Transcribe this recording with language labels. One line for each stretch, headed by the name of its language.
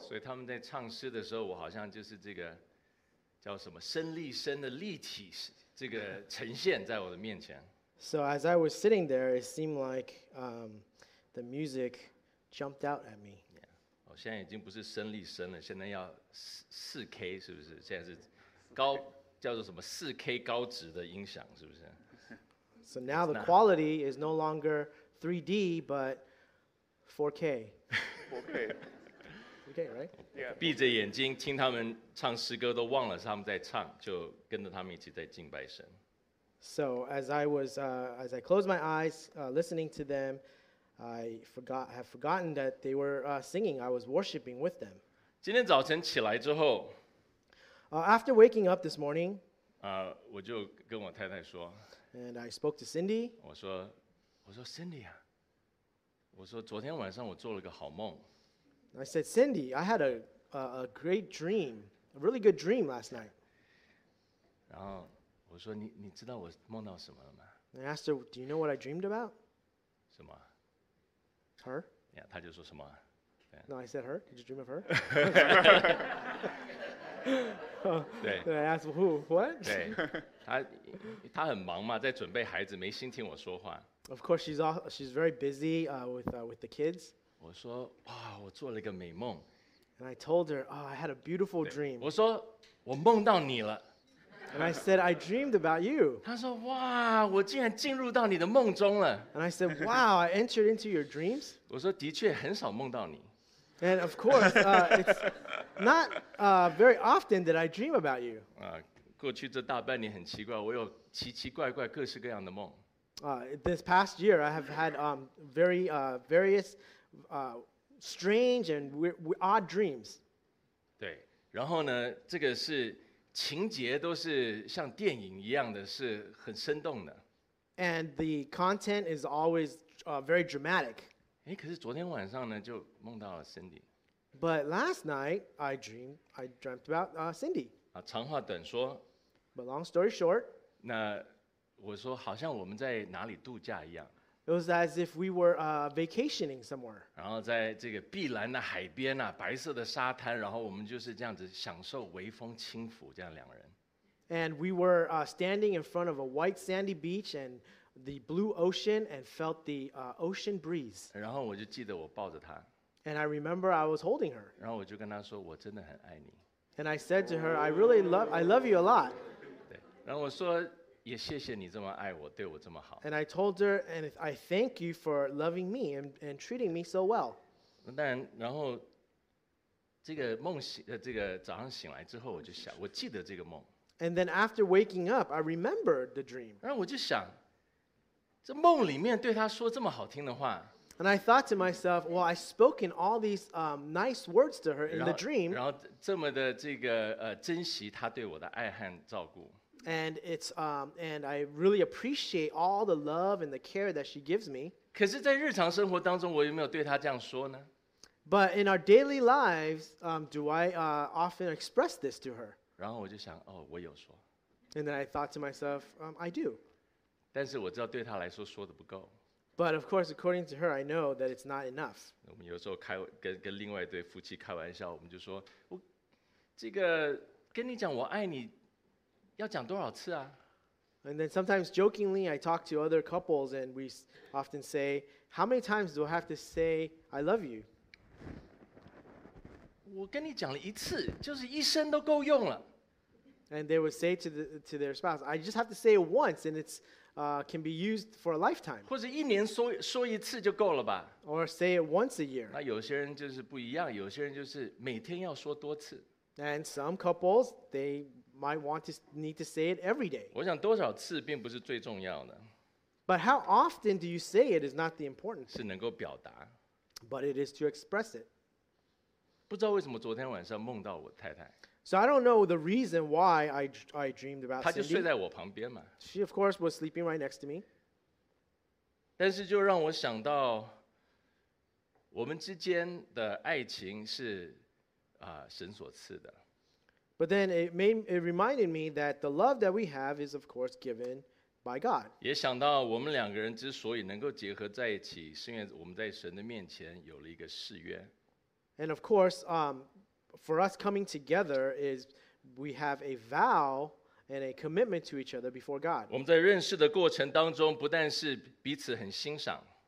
Chinese: 所以他们在唱诗的时候，我好像就是这个叫什么身立身的立体这个呈现在我的面前。
English: So as I was sitting there, it seemed like the music jumped out at me.
Chinese: 我现在已经不是身立身了，现在要4K 是不是？现在是高叫做什么4K 高质的音响是不是
English: ？So now the quality is no longer 3D but 4K. 4K, right?
Chinese: 闭着眼睛听他们唱诗歌，都忘了他们在唱，就跟着他们一起在敬拜神。
English: So as I was, as I closed my eyes, listening to them, I have forgotten that they were singing. I was worshiping with them.
Chinese: 今天早晨起来之后。
English: After waking up this morning,
Chinese: 我就跟我太太说。
English: And I spoke to Cindy.
Chinese: 我说 Cindy 啊，我说昨天晚上我做了个好梦。
English: I said, Cindy, I had a great dream, a really good dream last night.
Chinese: 然后我说你知道我梦到什么了吗
English: ？I asked her, Do you know what I dreamed about?
Chinese: 什么
English: ？Her?
Chinese: Yeah, 她就说什么
English: yeah. ？No, I said her. Did you dream of her?
Chinese: Oh, 对
English: I asked who, what?
Chinese: 对他很忙嘛，在准备孩子，没心听我说话。
English: Of course, she's very busy with the kids.
Chinese: 我说哇，我做了一个美梦。
English: And I told her, oh, I had a beautiful dream.
Chinese: 我说我梦到你了。
English: And I said, I dreamed about you.
Chinese: 他说哇，我竟然进入到你的梦中了。
English: And I said, wow, I entered into your dreams.
Chinese: 我说的确很少梦到你。
English: And of course, it's not very often that I dream about you.
Chinese: 过去这大半年很奇怪，我有奇奇怪怪各式各样的梦。
English: This past year, I have had very various strange and odd dreams.
Chinese: 对，然后呢，这个是情节都是像电影一样的，是很生动的。
English: And the content is always very dramatic.
Chinese: 诶，可是昨天晚上呢，就梦到了 Cindy。
English: But last night, I dreamt about Cindy.
Chinese: 长话短说。
English: But long story short.
Chinese: 那我说好像我们在哪里度假一样。
English: It was as if we were vacationing somewhere.
Chinese: 然后在这个碧蓝的海边啊，白色的沙滩，然后我们就是这样子享受微风轻拂，这样两人。
English: And we were standing in front of a white sandy beach and the blue ocean and felt the ocean breeze.
Chinese: 然后我就记得我抱着她。
English: And I remember I was holding her.
Chinese: 然后我就跟她说，我真的很爱你。
English: And I said to her, I love you a lot.
Chinese: 对，然后我说，也谢谢你这么爱我，对我这么好。
English: And I told her, and I thank you for loving me and treating me so well.
Chinese: 但然后这个梦醒，这个早上醒来之后，我就想，我记得这个梦。
English: And then after waking up, I remembered the dream.
Chinese: 然后我就想，这梦里面对她说这么好听的话。
English: And I thought to myself, well, I spoke in all these nice words to her in the dream.
Chinese: 然后这么的这个珍惜她对我的爱和照顾。
English: And it's and I really appreciate all the love and the care that she gives me.
Chinese: 可是，在日常生活当中，我有没有对她这样说呢
English: ？But in our daily lives, do I often express this to her?
Chinese: 然后我就想，哦，我有说。
English: And then I thought to myself, I do.
Chinese: 但是我知道对她来说说的不够。
English: But of course, according to her, I know that it's not enough.
Chinese: 我们有时候开跟另外一对夫妻开玩笑，我们就说，我这个跟你讲我爱你，要讲多少次啊
English: ？And then sometimes jokingly, I talk to other couples, and we often say, "How many times do I have to say I love you?"
Chinese: 我跟你讲了一次，就是一生都够用了。
English: And they would say to their spouse, "I just have to say it once, and it's." Can be used for a lifetime.
Chinese: 或者一年说一次就够了吧。
English: Or say it once a year.
Chinese: 那有些人就是不一样，有些人就是每天要说多次。
English: And some couples they might need to say it every day.
Chinese: 我想多少次并不是最重要的。
English: But how often do you say it is not the important.
Chinese: 是能够表达。
English: But it is to express it.
Chinese: 不知道为什么昨天晚上梦到我太太。
English: So I don't know the reason why I dreamed about Cindy.
Chinese: 她就睡在我旁边嘛。
English: She of course was sleeping right next to me.
Chinese: 但是就让我想到，我们之间的爱情是神所赐的。
English: But then it reminded me that the love that we have is of course given by God.
Chinese: 也想到我们两个人之所以能够结合在一起，是因为我们在神的面前有了一个誓约。
English: And of course, for us coming together is we have a vow and a commitment to each other before God.
Chinese: 我们在认识的过程当中，不但是彼此很欣赏。